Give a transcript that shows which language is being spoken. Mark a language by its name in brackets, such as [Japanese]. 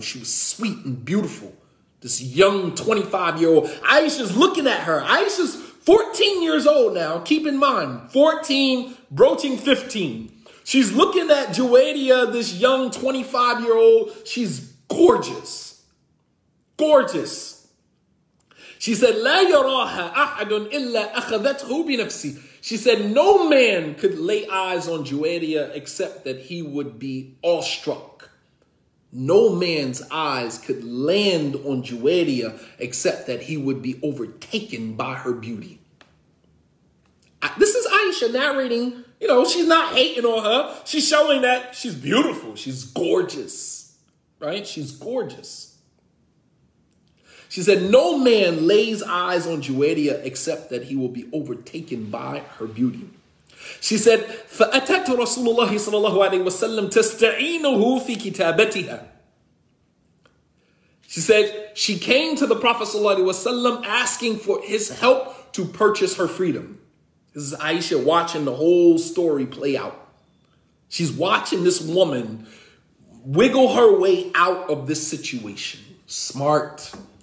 [English] She was sweet and beautiful. This young 25-year-old. Aisha's looking at her. Aisha's 14 years old now. Keep in mind, 14, broaching 15. She's looking at Juwayria, this young 25-year-old. She's gorgeous. Gorgeous. She said, [Arabic] لا يراها أحد إلا أخذته بنفسي. [English] She said, no man could lay eyes on Juwayria except that he would be awestruck. No man's eyes could land on Juwayria except that he would be overtaken by her beauty. This is Aisha narrating. You know, she's not hating on her. She's showing that she's beautiful. She's gorgeous. Right? She's gorgeous. She said, no man lays eyes on Juwayria except that he will be overtaken by her beauty. She said, [Arabic] فَأَتَتْ رَسُولُ اللَّهِ صَلَى اللَّهُ عَلَيْهِ وَسَلَّمْ تَسْتَعِينُهُ فِي كِتَابَتِهَا. [English] She said, she came to the Prophet Sallallahu Alaihi Wasallam asking for his help to purchase her freedom. This is Aisha watching the whole story play out. She's watching this woman wiggle her way out of this situation. Smart.